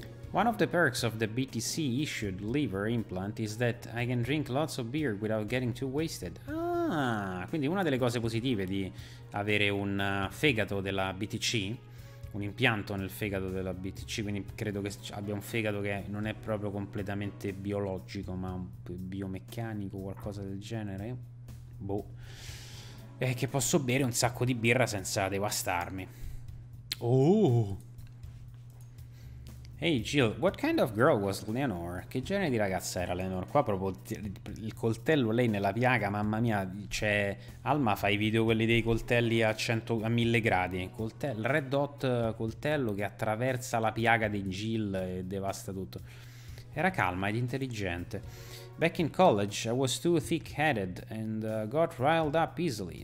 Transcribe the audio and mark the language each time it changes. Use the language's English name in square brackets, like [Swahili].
[English] One of the perks of the BTC issued liver implant is that I can drink lots of beer without getting too wasted. [Italian] Ah, quindi una delle cose positive di avere un fegato della BTC, un impianto nel fegato della BTC, quindi credo che abbia un fegato che non è proprio completamente biologico, ma un biomeccanico o qualcosa del genere. Boh. È che posso bere un sacco di birra senza devastarmi. Oh! [English] Hey Jill, what kind of girl was Leonor? [Italian] Che genere di ragazza era Leonor? Qua proprio il coltello lei nella piaga, mamma mia, c'è Alma fa i video quelli dei coltelli a 100, a 1000 gradi, coltello, red hot coltello che attraversa la piaga di Jill e devasta tutto. Era calma ed intelligente. [English] Back in college I was too thick-headed and got riled up easily.